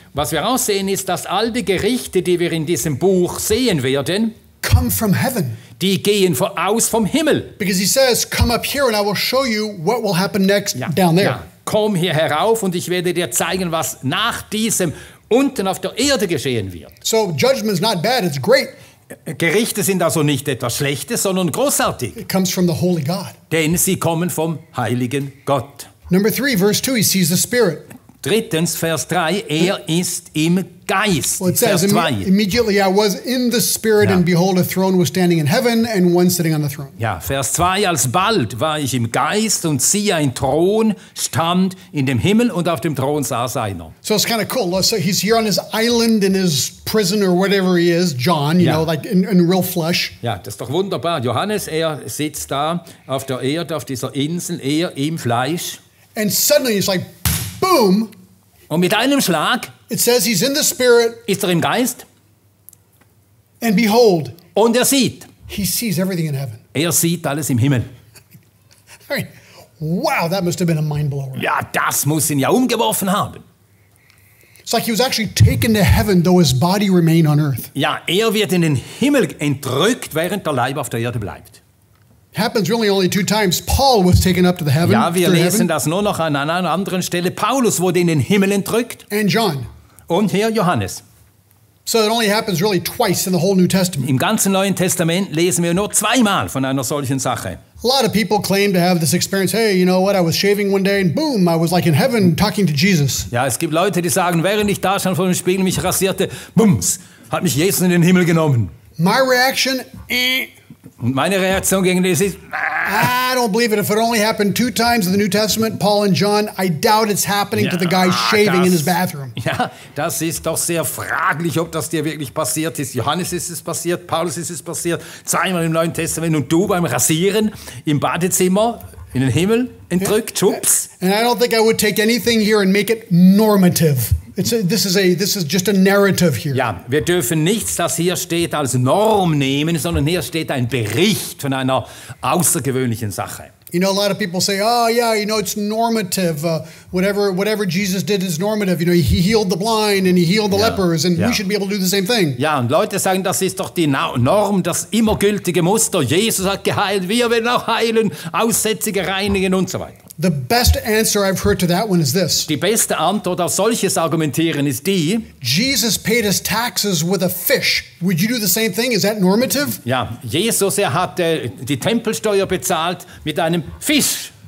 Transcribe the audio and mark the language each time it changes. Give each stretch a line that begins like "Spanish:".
German: was wir auch sehen, ist, dass all die Gerichte, die wir in diesem Buch sehen werden,
English: come from heaven.
German: Die gehen aus vom Himmel.
English: Because he says, come up here and I will show you what will happen next,
German: ja,
English: down there.
German: Ja. Komm hier herauf und ich werde dir zeigen, was nach diesem unten auf der Erde geschehen wird.
English: So judgment is not bad, it's great.
German: Gerichte sind also nicht etwas Schlechtes, sondern großartig.
English: It comes from the holy God.
German: Denn sie kommen vom heiligen Gott.
English: Number 3, verse 2, he sees the Spirit.
German: Drittens, Vers 3, er ist im Geist.
English: Well, it says,
German: Vers 2.
English: Immediately I was in the Spirit, ja. And behold, a throne was standing in heaven and one sitting on the throne.
German: Ja, Vers 2, alsbald war ich im Geist und siehe, ein Thron stand in dem Himmel und auf dem Thron saß einer.
English: So it's kind of cool. So he's here on his island in his prison or whatever he is, John, you, ja, know, like in real flesh.
German: Ja, das ist doch wunderbar. Johannes, er sitzt da auf der Erde, auf dieser Insel, er im Fleisch.
English: And suddenly he's like, boom.
German: Und mit einem Schlag,
English: it says he's in the Spirit,
German: ist im Geist.
English: And behold,
German: und sieht,
English: he sees everything in heaven.
German: Sieht alles im Himmel.
English: Wow, that must have been a mind blower.
German: Ja, das muss ihn ja umgeworfen haben.
English: It's like he was actually taken to heaven, though his body remained on earth.
German: Ja, wird in den Himmel entrückt, während der Leib auf der Erde bleibt.
English: Happens really only two times. Paul was taken up to the heaven.
German: Ja, wir lesen das nur noch an einer anderen Stelle. Paulus wurde in den Himmel entrückt.
English: And John.
German: Und hier Johannes.
English: So it only happens really twice in the whole New Testament.
German: Im ganzen Neuen Testament lesen wir nur zweimal von einer solchen Sache.
English: A lot of people claim to have this experience. Hey, you know what? I was shaving one day and boom, I was like in heaven talking to Jesus.
German: Ja, es gibt Leute, die sagen, während ich da stand vor dem Spiegel mich rasierte, bums, hat mich Jesus in den Himmel genommen.
English: My reaction,
German: Und meine Reaktion gegen das ist,
English: I don't believe it. If it only happened two times in the New Testament, Paul and John, I doubt it's happening to the guy shaving in his bathroom.
German: Ja, das ist doch sehr fraglich, ob das dir wirklich passiert ist. Johannes ist es passiert, Paulus ist es passiert, zweimal im Neuen Testament und du beim Rasieren im Badezimmer in den Himmel entrückt, schups.
English: And I don't think I would take anything here and make it normative. This is just a narrative here.
German: Ja, wir dürfen nichts, das hier steht, als Norm nehmen, sondern hier steht ein Bericht von einer außergewöhnlichen Sache.
English: You know, a lot of people say, oh yeah, you know, it's normative. Whatever Jesus did is normative. You know, he healed the blind and he healed the lepers and we should be able to do the same thing.
German: Ja, und Leute sagen, das ist doch die Norm, das immer gültige Muster. Jesus hat geheilt, wir werden auch heilen, Aussätzige reinigen und so weiter.
English: The best answer I've heard to that one is this.
German: Die beste Antwort auf solches Argumentieren ist die.
English: Jesus paid his taxes with a fish. Would you do the same thing? Is that normative?
German: Ja, Jesus, er hat die Tempelsteuer bezahlt mit einem Fisch.